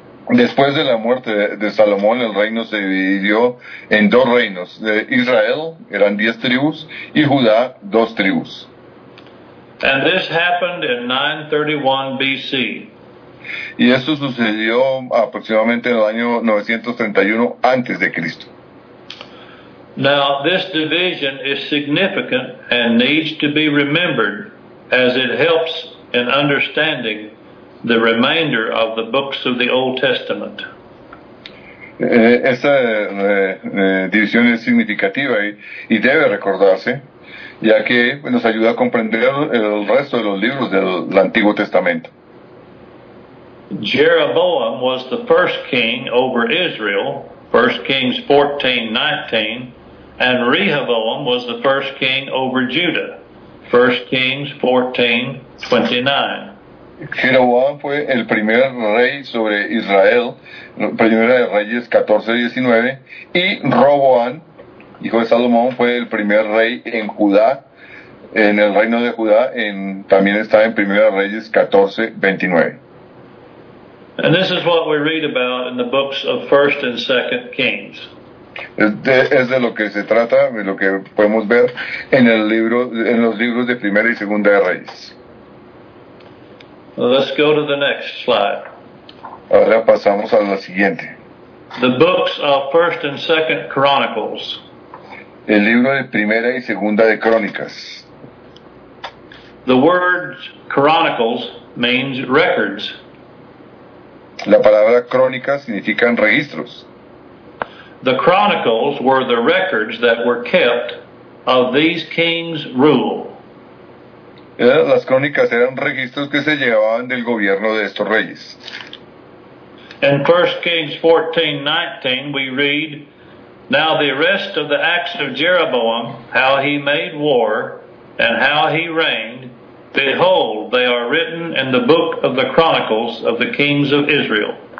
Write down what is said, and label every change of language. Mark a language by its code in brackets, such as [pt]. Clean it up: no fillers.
[es] Después de la muerte de Salomón, el reino se dividió en dos reinos. Israel, eran 10 tribus, y Judá, 2 tribus. [en] And this happened in 931 BC. [es] Y esto sucedió aproximadamente en el año 931 a.C. [en] Now, this division is significant and needs to be remembered as it helps in understanding the remainder of the books of the Old Testament. [es] Esta división es significativa y debe recordarse, ya que nos ayuda a comprender el resto de los libros del Antiguo Testamento. [en] Jeroboam was the first king over Israel, 1 Kings 14:19, and Rehoboam was the first king over Judah, 1 Kings 14:29. [es] Jeroboam fue el primer rey sobre Israel, Primera de Reyes 14:19, y Roboam, hijo de Salomón, fue el primer rey en Judá, en el reino de Judá, también está en Primera de Reyes 14:29. [en] And this is what we read about in the books of 1 and 2 Kings. [es] Es de lo que se trata, de lo que podemos ver en el libro, en los libros de Primera y Segunda de Reyes. [en] Let's go to the next slide. [es] Ahora pasamos a la siguiente. [en] The books of 1 and 2 Chronicles. [es] El libro de Primera y Segunda de Crónicas. [en] The word chronicles means records. [es] La palabra crónica significa registros. [en] The chronicles were the records that were kept of these kings' rule. [es] Las crónicas eran registros que se llevaban del gobierno de estos reyes. [en] In 1 Kings 14:19 we read, "Now the rest of the acts of Jeroboam, how he made war and how he reigned, behold, they are written in the book of the chronicles of the kings of Israel."